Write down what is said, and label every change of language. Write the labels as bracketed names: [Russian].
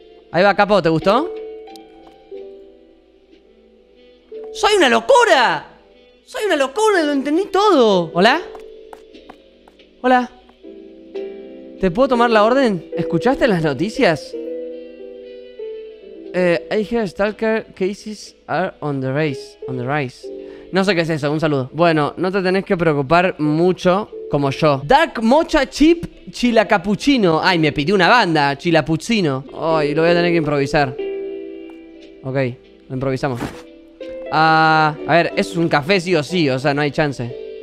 [Spanish] Ahí va, Capo, ¿te gustó? ¡Soy una locura! ¡Soy una locura! ¡Lo entendí todo! ¿Hola? ¿Hola? ¿Te puedo tomar la orden? ¿Escuchaste las noticias? [English] I hear stalker cases are on the rise. [Spanish] No sé qué es eso, un saludo. Bueno, no te tenés que preocupar mucho como yo. Dark Mocha Chip Chila Cappuccino. Ay, me pidió una banda, Chila Puccino. Ay, lo voy a tener que improvisar. Ok, lo improvisamos. A ver, es un café sí o sí, o sea, no hay chance.